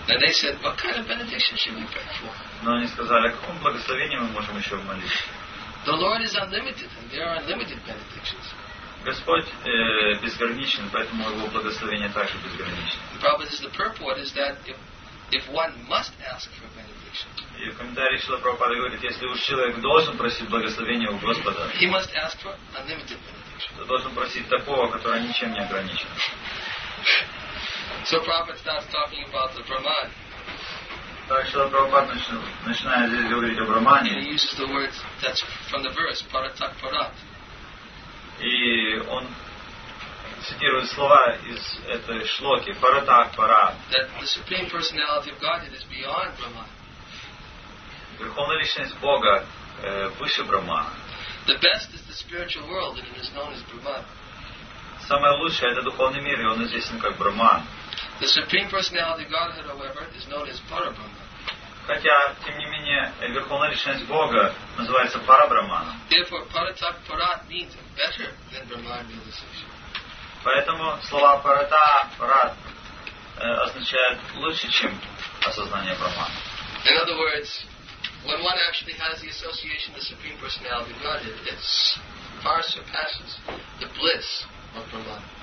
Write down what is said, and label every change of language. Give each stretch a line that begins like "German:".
English: And they said, what kind of benediction should we pray for?
Russian: Но они сказали, о каком благословении мы можем еще молиться?
English: The Lord is unlimited, and there are unlimited benedictions.
Russian: Господь безграничен, поэтому его благословение также безграничен.
English: Prabhupada says the purport is that if one must ask for benediction.
Russian: И в комментарии Шрила Прабхупада говорит, если уж человек должен просить благословения у Господа,
English: he must ask for unlimited benediction.
Russian: То должен просить такого, которое ничем не ограничено.
English: So Prabhupada starts talking about the Brahman.
Russian: Так Шрила Прабхупада начинает здесь говорить о Брахмане.
English: He uses the words that's from the verse Paratak Parat.
Russian: И он цитирует слова из этой шлоки Паратак Парат.
English: That the supreme personality of Godhead is beyond Brahma.
Russian: Верховная личность Бога выше Брахма.
English: The best is the spiritual world, and it is known as Brahma.
Russian: самое лучшее это духовный мир, и он известен как Брахман.
English: The Supreme Personality of Godhead, however, is known as Parabrahma.
Russian: Хотя, тем не менее, верховная личность Бога называется Парабрахманом.
English: Therefore, Paratak Parat means better than Brahman realization.
Russian: Поэтому слова Парата Парат означают лучше, чем осознание Брахмана.
English: In other words, when one actually has the association of the Supreme Personality of Godhead, it far surpasses the bliss of Brahman.